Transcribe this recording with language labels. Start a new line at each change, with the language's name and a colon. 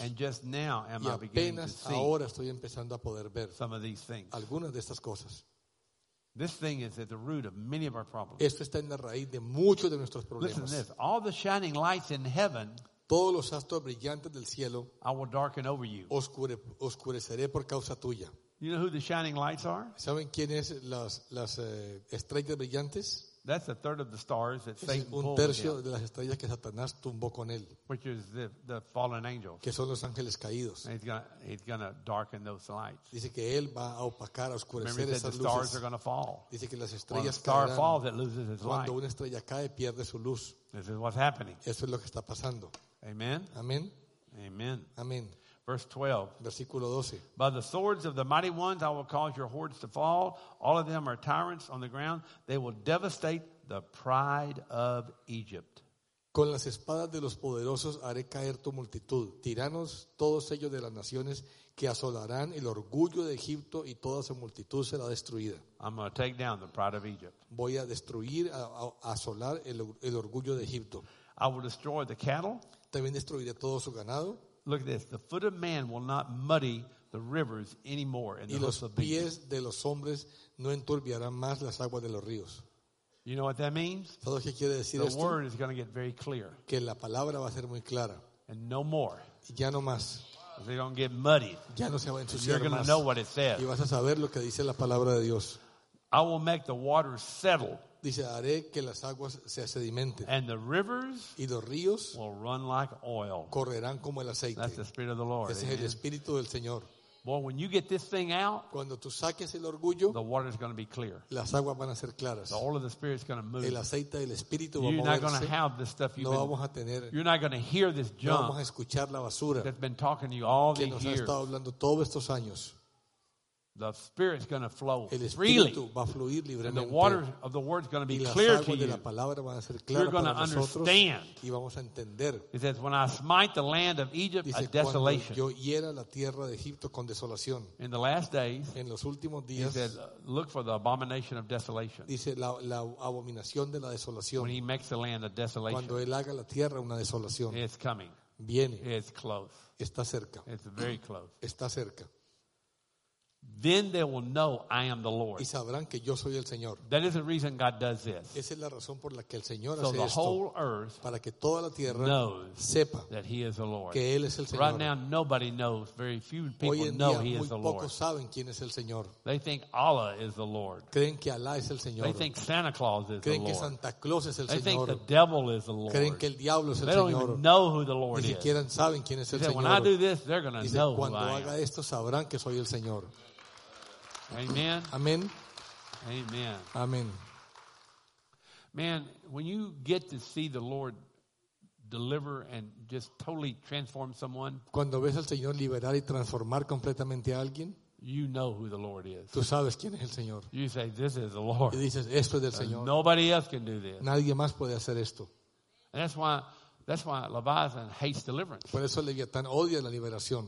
English: And just now am I beginning to see
Spanish: ahora estoy empezando a poder ver
English: some of these things.
Spanish: Algunas de estas cosas.
English: This thing is at the root of many of our problems.
Spanish: Esto está en la raíz de muchos de nuestros problemas.
English: Listen to this. All the shining lights in heaven.
Spanish: Todos los astros brillantes del cielo.
English: I will darken over you.
Spanish: Oscureceré por causa tuya.
English: You know who the shining lights are?
Spanish: ¿Saben quiénes las estrellas brillantes?
English: That's a third of the stars that Satan pulled.
Spanish: Un tercio de las estrellas que Satanás tumbó con él.
English: Which is the fallen angels.
Spanish: Que son los ángeles caídos.
English: He's gonna darken those lights.
Spanish: Dice que él va a opacar, a oscurecer esas luces.
English: The stars are gonna fall.
Spanish: Dice que las estrellas caerán.
English: When a star falls, it loses its light.
Spanish: Cuando una estrella cae, pierde su luz.
English: This is what's happening.
Spanish: Eso es lo que está pasando.
English: Amen.
Spanish: Amen.
English: Amen.
Spanish: Amen.
English: Verse 12.
Spanish: Versículo 12.
English: By the swords of the mighty ones, I will cause your hordes to fall. All of them are tyrants on the ground. They will devastate the pride of Egypt.
Spanish: Con las espadas de los poderosos haré caer tu multitud. Tiranos, todos ellos de las naciones que asolarán el orgullo de Egipto y toda su multitud será destruida.
English: I'm going to take down the pride of Egypt.
Spanish: Voy a destruir, a asolar el orgullo de Egipto.
English: I will destroy the cattle.
Spanish: También destruiré todo su ganado.
English: Look at this. The foot of man will not muddy the rivers anymore.
Spanish: Y los pies de los hombres no enturbiarán más las aguas de los ríos.
English: You know what that means?
Spanish: ¿Sabes lo que quiere decir esto?
English: The word is going to get very clear.
Spanish: Que la palabra va a ser muy clara.
English: And no more.
Spanish: Ya no más.
English: They're going to get muddied.
Spanish: Ya no se va a ensuciar más.
English: You're going to know what it says.
Spanish: Y vas a saber lo que dice la palabra de Dios.
English: I will make the water settle.
Spanish: Dice, haré que las aguas se sedimenten.
English: And the rivers
Spanish: y los ríos
English: will run like oil.
Spanish: Correrán como el aceite.
English: That's the Spirit of the Lord.
Spanish: Ese es el Espíritu del Señor.
English: Boy, when you get this thing out,
Spanish: cuando tú saques el orgullo,
English: the water is going to be clear.
Spanish: Las aguas van a ser claras.
English: The oil of the Spirit is going to move.
Spanish: El aceite del Espíritu va a moverse.
English: You're not going to have this stuff you've
Spanish: no been, vamos a tener,
English: you're not going to hear this junk
Spanish: no vamos a escuchar la basura
English: that's been talking to you all these years.
Spanish: Que nos ha estado hablando todos estos años.
English: The Spirit is going to flow
Spanish: el
English: freely.
Spanish: Va a fluir
English: and the water of the Word is going to be clear to you. You're going to understand.
Spanish: Y vamos a entender.
English: It says, when I smite the land of Egypt,
Spanish: dice, a desolation. Yo hiera la tierra de Egipto con desolación.
English: In the last days,
Spanish: en los últimos días,
English: he said, look for the abomination of desolation.
Spanish: Dice, la abominación de la desolación.
English: When he makes the land a desolation.
Spanish: Cuando él haga la tierra una desolación.
English: It's coming.
Spanish: Viene.
English: It's close.
Spanish: Está cerca.
English: It's very close.
Spanish: Está cerca.
English: Then they will know I am the Lord.
Spanish: Y sabrán que yo soy el Señor.
English: That is the reason God does this.
Spanish: Esa es la razón por la que el Señor hace esto.
English: So the whole earth,
Spanish: para que toda la tierra
English: knows,
Spanish: sepa
English: that he is the Lord.
Spanish: Que él es el Señor.
English: Right now nobody knows, very few people know he is the Lord.
Spanish: Hoy en día muy pocos saben quién es el Señor.
English: They think Allah is the Lord.
Spanish: Creen que Alá es el Señor.
English: They think Santa Claus is the Lord.
Spanish: Creen que Santa Claus es el Señor.
English: They think the devil is the Lord.
Spanish: Creen que el diablo es el Señor.
English: They don't even know who the Lord is.
Spanish: Ni siquiera saben quién es el Señor.
English: When I do this, they're going to know who I am.
Spanish: Cuando haga esto sabrán que soy el Señor.
English: Amen.
Spanish: Amen.
English: Amen.
Spanish: Amen.
English: Man, when you get to see the Lord deliver and just totally transform someone,
Spanish: cuando ves al Señor liberar y transformar completamente a alguien,
English: you know who the Lord is.
Spanish: Tú sabes quién es el Señor.
English: You say, "This is the Lord."
Spanish: Y dices, esto es del Señor.
English: Nobody else can do this.
Spanish: Nadie más puede hacer esto.
English: And that's why Leviathan hates deliverance.
Spanish: Por eso Leviatán odia la liberación.